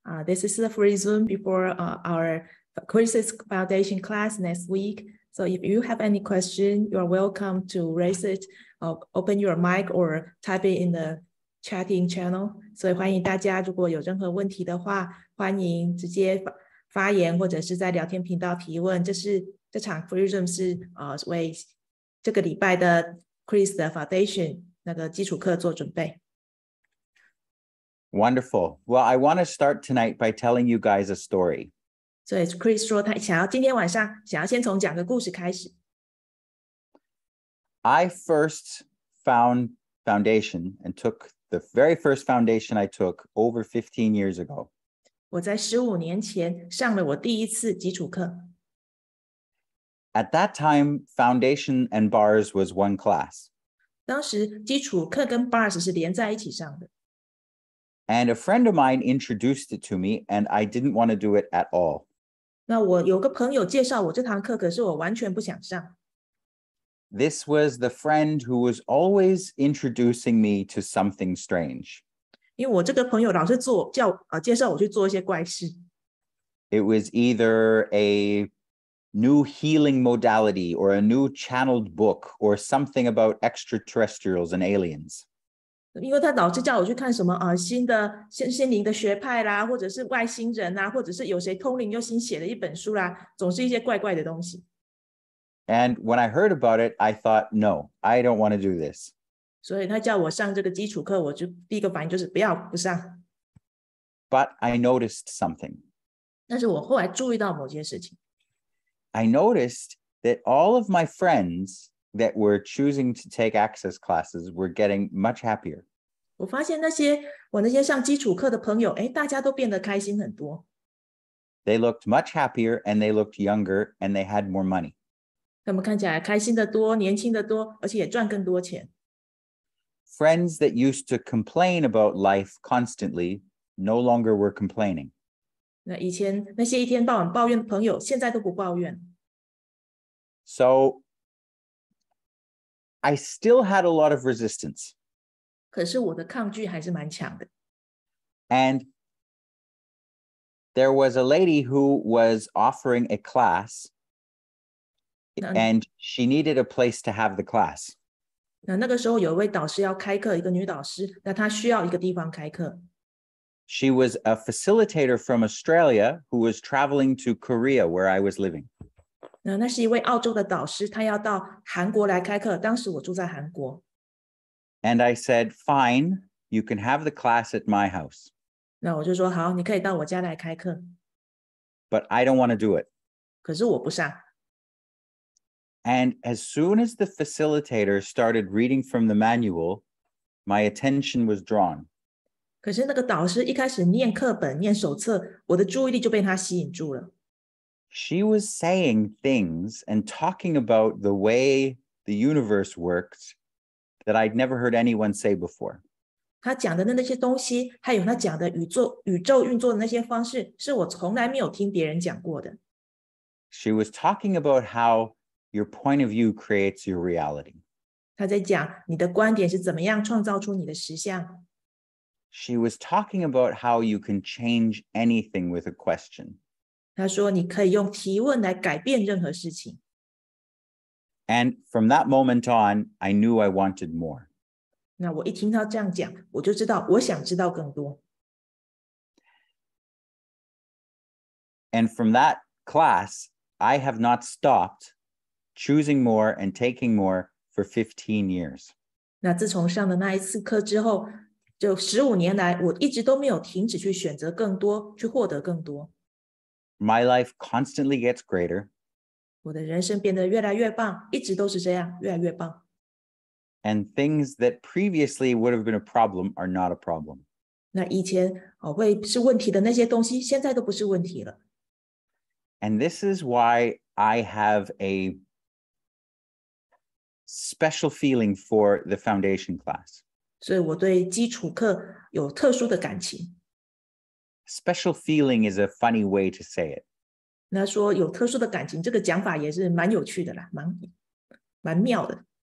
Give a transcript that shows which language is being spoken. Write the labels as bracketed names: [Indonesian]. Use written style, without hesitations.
[English] This is the free Zoom before our Crisis Foundation class next week. So if you have any question, you're welcome to raise it, open your mic or type it in the chatting channel. [Chinese] 所以欢迎大家如果有任何问题的话,欢迎直接发言或者是在聊天频道提问。这场 free Zoom 是 为这个礼拜的 Chris 的 Foundation 那个基础课做准备。 [English] Wonderful. Well, I want to start tonight by telling you guys a story. [Chinese] 所以 Chris 说他想要今天晚上想要先从讲个故事开始。 [English] I first found Foundation and took the very first Foundation I took over 15 years ago. [Chinese] 我在15年前上了我第一次基础课。 [English] At that time, foundation and bars was one class. [Chinese] 当时基础课跟 bars 是连在一起上的。 [English] And a friend of mine introduced it to me, and I didn't want to do it at all. [Chinese] 那我有个朋友介绍我这堂课，可是我完全不想上。 [English] This was the friend who was always introducing me to something strange. [Chinese] 因为我这个朋友老是做叫介绍我去做一些怪事。 [English] It was either a new healing modality or a new channeled book or something about extraterrestrials and aliens. [Chinese] 因为他老是叫我去看什么新的心灵的学派啦，或者是外星人啊，或者是有谁通灵又新写了一本书啦，总是一些怪怪的东西。 [English] And when I heard about it, I thought, no, I don't want to do this. [Chinese] 所以他叫我上这个基础课，我就第一个反应就是不要不上。 [English] But I noticed something. [Chinese] 但是我后来注意到某件事情。 [English] I noticed that all of my friends that were choosing to take access classes were getting much happier. [Chinese] 我发现那些我那些上基础课的朋友，大家都变得开心很多。 [English] They looked much happier and they looked younger and they had more money. [Chinese] 他们看起来开心得多，年轻得多，而且也赚更多钱。 [English] Friends that used to complain about life constantly no longer were complaining. [Chinese] 那以前那些一天到晚抱怨的朋友，现在都不抱怨。 [English] So, I still had a lot of resistance. [Chinese] 可是我的抗拒还是蛮强的。 [English] And there was a lady who was offering a class, and she needed a place to have the class. [Chinese] 那个时候有一位导师要开课，一个女导师，那她需要一个地方开课。 [English] She was a facilitator from Australia who was traveling to Korea where I was living. [Chinese] 那是一位澳洲的导师，他要到韩国来开课，当时我住在韩国。 [English] And I said, fine, you can have the class at my house. [Chinese] 那我就说，好，你可以到我家来开课。 [English] But I don't want to do it. [Chinese] 可是我不上。 [English] And as soon as the facilitator started reading from the manual, my attention was drawn. [Chinese] 可是那个导师一开始念课本、念手册，我的注意力就被他吸引住了。 [English] She was saying things and talking about the way the universe works that I'd never heard anyone say before. [Chinese] 他讲的那些东西，还有他讲的宇宙运作的那些方式，是我从来没有听别人讲过的。 [English] She was talking about how your point of view creates your reality. [Chinese] 他在讲你的观点是怎么样创造出你的实相。 [English] She was talking about how you can change anything with a question. [Chinese] 她说你可以用提问来改变任何事情。 [English] And from that moment on, I knew I wanted more. [Chinese] 那我一听她这样讲，我就知道我想知道更多。 [English] And from that class, I have not stopped choosing more and taking more for 15 years. [Chinese] 那自从上了那一次课之后，就十五年来，我一直都没有停止去选择更多，去获得更多。 [English] My life constantly gets greater. [Chinese] 我的人生变得越来越棒，一直都是这样，越来越棒。 [English] And things that previously would have been a problem are not a problem. [Chinese] 那以前会是问题的那些东西，现在都不是问题了。 [English] And this is why I have a special feeling for the foundation class. [Chinese] 所以我对基础课有特殊的感情。 [English] Special feeling is a funny way to say it. [Chinese] 那说有特殊的感情，这个讲法也是蛮有趣的啦，蛮妙的。